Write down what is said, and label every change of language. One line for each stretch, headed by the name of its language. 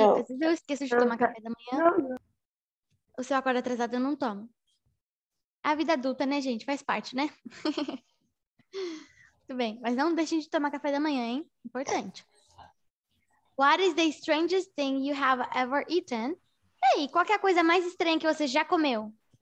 Portuguese: Às vezes eu esqueço de tomar café da manhã. Não. Ou se eu acordo atrasado, eu não tomo. A vida adulta, né, gente? Faz parte, né? Tudo bem, mas não deixem de tomar café da manhã, hein? Importante.
English: What is the strangest thing you have ever eaten?
Portuguese: E aí, qual que é a coisa mais estranha que você já comeu?